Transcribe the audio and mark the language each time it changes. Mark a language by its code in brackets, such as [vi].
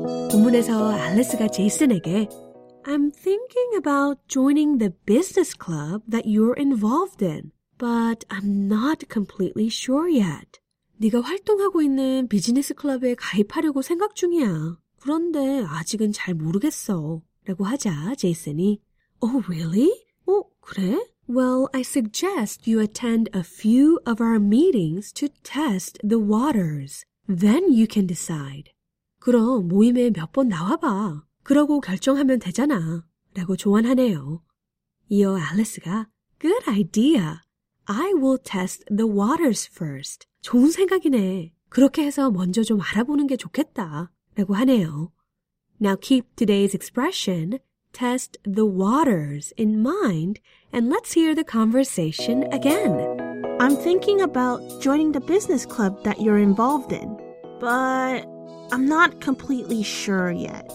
[ko] 본문에서 알리스가 제이슨에게 [en] I'm thinking about joining the business club that you're involved in. But I'm not completely sure yet. [ko] 네가 활동하고 있는 비즈니스 클럽에 가입하려고 생각 중이야. 그런데 아직은 잘 모르겠어. 라고 하자 제이슨이 [en] Oh, really? [ko] 어, 그래? [en] Well, I suggest you attend a few of our meetings to test the waters. Then you can decide. [ko] 그럼 모임에 몇 번 나와봐. 그러고 결정하면 되잖아. 라고 조언하네요. 이어 알리스가 [en] Good idea. I will test the waters first. [ko] 좋은 생각이네. 그렇게 해서 먼저 좀 알아보는 게 좋겠다. 라고 하네요. [en] Now keep today's expression, test the waters, in mind, and let's hear the conversation again. I'm thinking about joining the business club that you're involved in, but I'm not completely sure yet.